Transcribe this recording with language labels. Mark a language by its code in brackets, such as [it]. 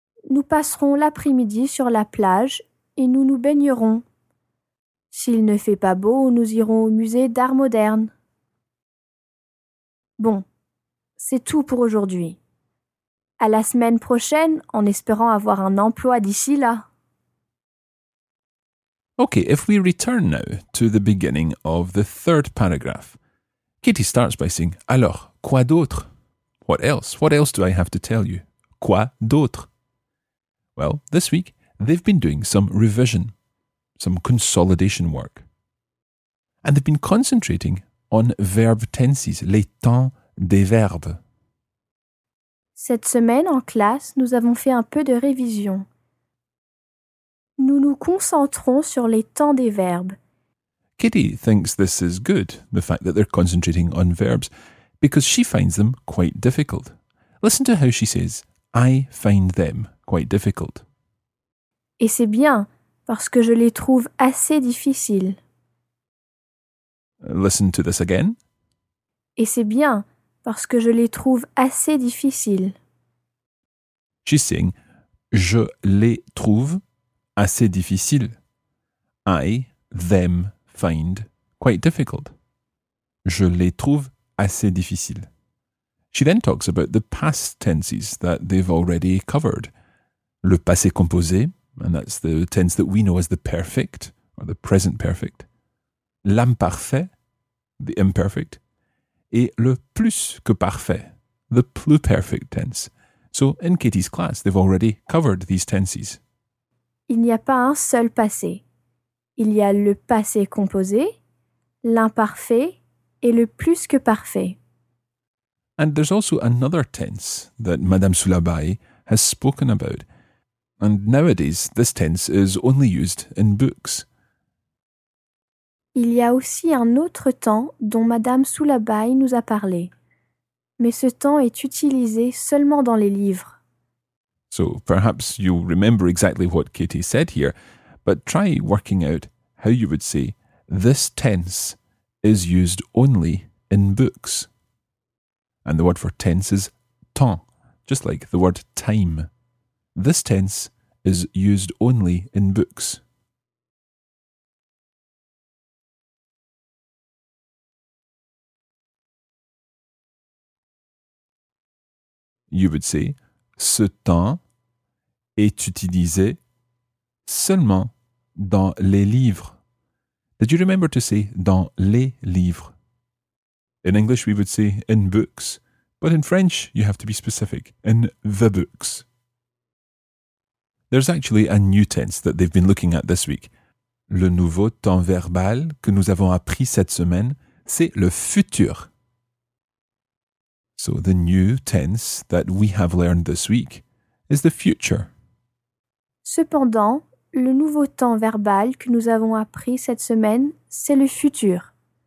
[fr] Nous passerons l'après-midi sur la plage et nous nous baignerons. S'il ne fait pas beau, nous irons au musée d'art moderne. Bon, c'est tout pour aujourd'hui. À la semaine prochaine, en espérant avoir un emploi d'ici là. [en] Okay, if we return now to the beginning of the third paragraph. Kitty starts by saying, [fr] alors, quoi d'autre? [en] What else? What else do I have to tell you? [fr] Quoi d'autre? [en] Well, this week, they've been doing some revision, some consolidation work. And they've been concentrating on verb tenses, [fr] les temps des verbes. Cette semaine, en classe, nous avons fait un peu de révision. Nous nous concentrons sur les temps des verbes. [en] Kitty thinks this is good, the fact that they're concentrating on verbs, because she finds them quite difficult. Listen to how she says, I find them quite difficult. [fr] Et c'est bien, parce que je les trouve assez difficiles. [en] Listen to this again. [fr] Et c'est bien, parce que je les trouve assez difficiles. [en] She's saying, [fr] je les trouve assez difficile. [en] I, them, find quite difficult. [fr] Je les trouve assez difficile. [en] She then talks about the past tenses that they've already covered. [fr] Le passé composé, [en] and that's the tense that we know as the perfect, or the present perfect. [fr] L'imparfait, [en] the imperfect. [fr] Et le plus que parfait, [en] the pluperfect tense. So in Katie's class, they've already covered these tenses. [fr] Il n'y a pas un seul passé. Il y a le passé composé, l'imparfait et le plus que parfait. [en] And there's also another tense that Madame Soulabaye has spoken about. And nowadays, this tense is only used in books. [fr] Il y a aussi un autre temps dont Madame Soulabaye nous a parlé. Mais ce temps est utilisé seulement dans les livres. [en] So perhaps you remember exactly what Katie said here, but try working out how you would say this tense is used only in books. And the word for tense is temps, just like the word time. This tense is used only in books. You would say [fr] ce temps est utilisé seulement dans les livres. [en] Did you remember to say [fr] dans les livres? [en] In English, we would say in books, but in French, you have to be specific, in the books. There's actually a new tense that they've been looking at this week. [fr] Le nouveau temps verbal que nous avons appris cette semaine, c'est le futur. [en] So the new tense that we have learned this week is the future. [fr] Cependant, le nouveau temps verbal que nous avons appris cette semaine, c'est le futur.